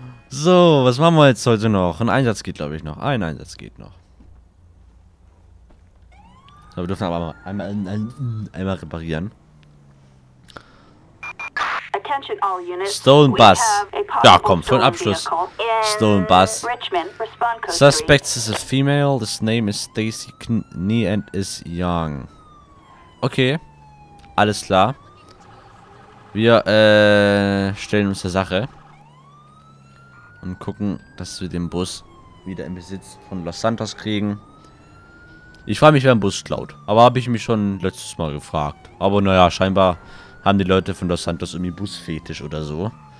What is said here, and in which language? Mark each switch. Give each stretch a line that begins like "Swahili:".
German: So, was machen wir jetzt heute noch? Ein Einsatz geht, glaube ich, noch. Ein Einsatz geht noch. So, wir dürfen aber einmal reparieren.
English: Stolen Bus.
German: Ja, komm, für einen Abschluss.
English: Stolen Bus. Suspect is a female. This name is Stacy Knee and is young.
German: Okay. Alles klar. Wir stellen uns der Sache. Und gucken, dass wir den Bus wieder in Besitz von Los Santos kriegen. Ich frage mich, wer einen Bus klaut. Aber habe ich mich schon letztes Mal gefragt. Aber naja, scheinbar haben die Leute von Los Santos irgendwie Busfetisch oder so.